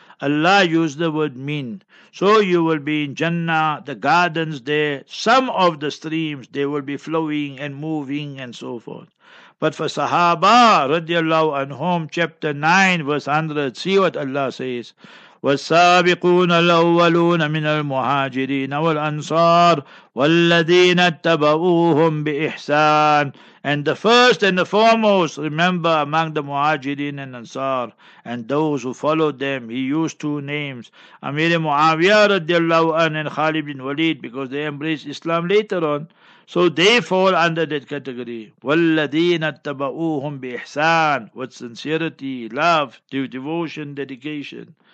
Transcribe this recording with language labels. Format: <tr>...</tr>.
<en>Allah used the word min. So you will be in Jannah, the gardens there, some of the streams, they will be flowing and moving and so forth. But for Sahaba, radiallahu anhum, chapter 9, verse 100, see what Allah says.</en> <ar>والسابقون الأولون من المهاجرين والأنصار والذين اتبعوهم بإحسان.</ar> <en>And the first and the foremost, remember, among the Muhajirin and Ansar, and those who followed them, he used two names, Amir Muawiyah radiallahu an and Khalid bin Walid, because they embraced Islam later on. So they fall under that category.</en> <ar>وَالَّذِينَ اتَّبَعُوهُمْ بِإِحْسَانِ,</ar> <en>with sincerity, love, devotion, dedication.</en>